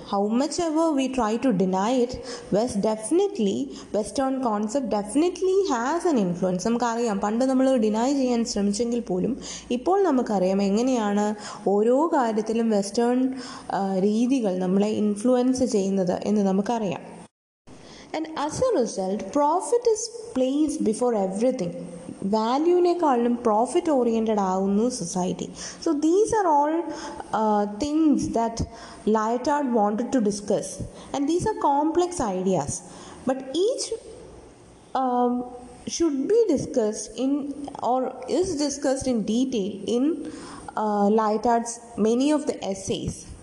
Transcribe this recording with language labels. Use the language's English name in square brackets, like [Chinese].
[English] How much ever we try to deny it, western concept definitely has an influence. [Malayalam] നമുക്കറിയാം പണ്ട് നമ്മൾ deny ചെയ്യാൻ ശ്രമിച്ചെങ്കിൽ പോലും ഇപ്പോൾ നമുക്കറിയാം എങ്ങനെയാണ് ഓരോ കാര്യത്തിലും വെസ്റ്റേൺ രീതികൾ നമ്മളെ ഇൻഫ്ലുവൻസ് ചെയ്യുന്നത് എന്ന് നമുക്കറിയാം. [English] And as a result, profit is placed before everything. [Malayalam] വാല്യൂവിനേക്കാളും profit oriented ആകുന്നു society. [English] So these are all things that Lyotard wanted to discuss and these are complex ideas but each should be discussed in or is discussed in detail in Lyotard's many of the essays.